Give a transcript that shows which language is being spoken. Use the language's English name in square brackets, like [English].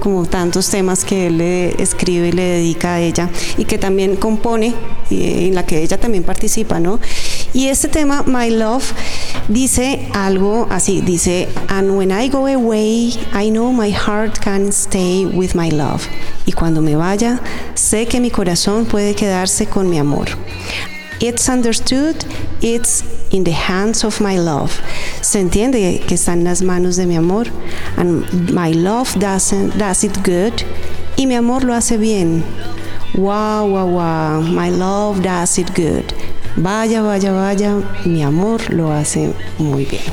[Spanish] Como tantos temas que él le escribe y le dedica a ella y que también compone y en la que ella también participa, ¿no? Y este tema, My Love, dice algo así, dice: [English] "And when I go away, I know my heart can stay with my love." [Spanish] Y cuando me vaya, sé que mi corazón puede quedarse con mi amor. [English] It's understood, it's in the hands of my love. [Spanish] Se entiende que está en las manos de mi amor. [English] And my love does it good. [Spanish] Y mi amor lo hace bien. [English] Wow, wow, wow, my love does it good. [Spanish] Vaya, vaya, vaya, mi amor lo hace muy bien.